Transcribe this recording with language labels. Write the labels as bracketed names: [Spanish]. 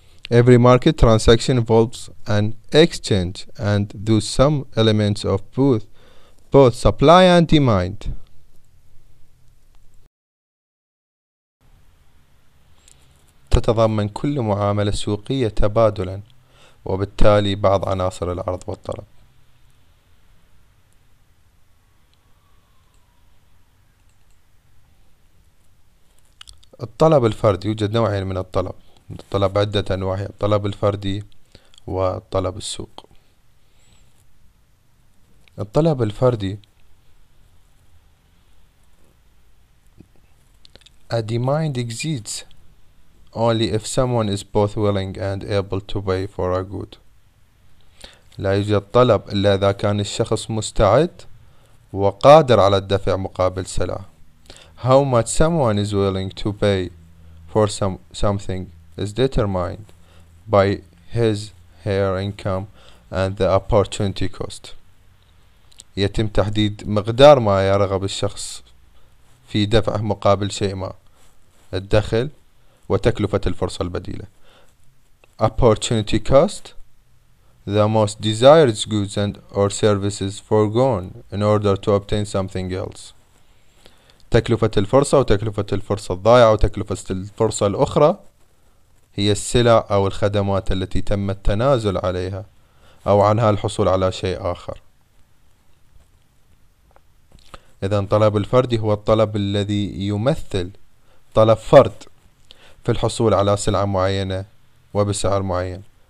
[English] Every market transaction involves an exchange and thus some elements of both supply and demand. [Arabic] تتضمن كل معاملة سوقية تبادلا، وبالتالي بعض عناصر العرض والطلب. الطلب الفردي، يوجد نوعين من الطلب، الطلب عدة أنواع، الطلب الفردي وطلب السوق. [English] الطلب الفردي A demand exists only if someone is both willing and able to pay for a good. [Arabic] لا يوجد طلب إلا إذا كان الشخص مستعد وقادر على الدفع مقابل سلعة. [English] How much someone is willing to pay for something is determined by his her income and the opportunity cost. [Arabic] يتم تحديد مقدار ما يرغب الشخص في دفعه مقابل شيء ما، الدخل وتكلفة الفرصة البديلة. [English] Opportunity cost, the most desired goods and or services foregone in order to obtain something else. [Arabic] تكلفة الفرصة، وتكلفة الفرصة الضائعة، وتكلفة الفرصة الأخرى هي السلع أو الخدمات التي تم التنازل عليها أو عنها الحصول على شيء آخر. إذا طلب الفرد هو الطلب الذي يمثل طلب فرد في الحصول على سلعة معينة وبسعر معين.